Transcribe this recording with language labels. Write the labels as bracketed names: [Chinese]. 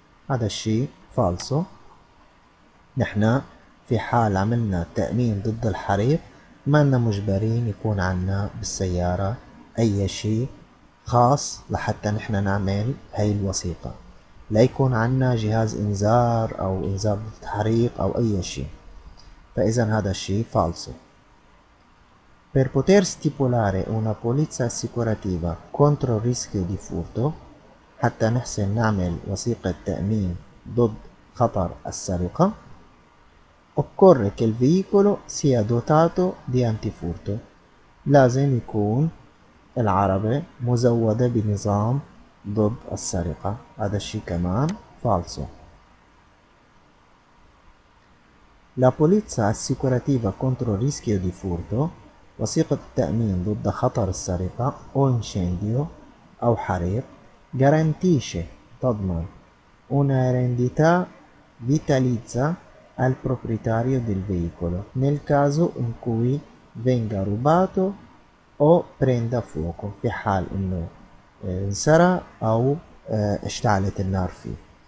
[Arabic] هذا الشيء فالصو. نحن في حال عملنا تأمين ضد الحريق ما لنا مجبرين يكون عنا بالسيارة أي شيء خاص لحتى نحن نعمل هاي الوثيقة، لا يكون عنا جهاز إنذار أو إنذار ضد حريق أو أي شيء. فإذا هذا الشيء فالصو. [Italian] Per poter stipulare una polizza assicurativa contro il rischio di furto, [Arabic] حتى نحسن نعمل وثيقة تأمين ضد خطر السرقة, [Italian] occorre che il veicolo sia dotato di antifurto. [Arabic] لازم يكون العربية مزودة بنظام ضد السرقة. هذا الشيء كمان فالسو. [Italian] La polizza assicurativa contro il rischio di furto, [Arabic] وثيقة التأمين ضد خطر السرقة أو [Italian] incendio [Arabic] أو حريق, [Italian] garantisce, [Arabic] تضمن, [Italian] una rendita vitalizia al proprietario del veicolo nel caso in cui venga rubato o prenda fuoco, [Arabic] في حال إنه انسرق أو اشتعلت النار فيه.